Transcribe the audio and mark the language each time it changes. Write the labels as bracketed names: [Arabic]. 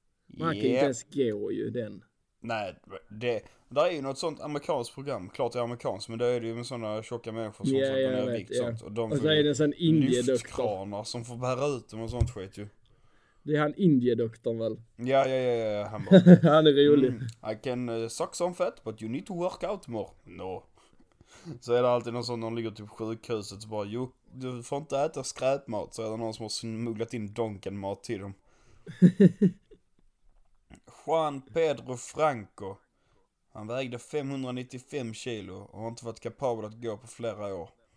[Swedish] Man kan inte ens gå ju den. Nej, det där är ju något sånt amerikanskt program. Klart det är amerikanskt, men då är det ju med sådana tjocka människor som sätter ner vikt sånt. Och så är det en sån indiedoktor som får bära ut dem och sånt skit ju. Det är han indiedoktorn väl? Ja, han bara. Han är rolig. Mm, [English] I can suck some fat, but you need to work out more. No. [Swedish] Så är det alltid någon sån, någon ligger typ sjukhuset och bara, jo, du får inte äta skräpmat. Så är det någon som har smugglat in donkenmat till dem. Juan Pedro Franco, han vägde 595 kilo och har inte varit kapabel att gå på flera år.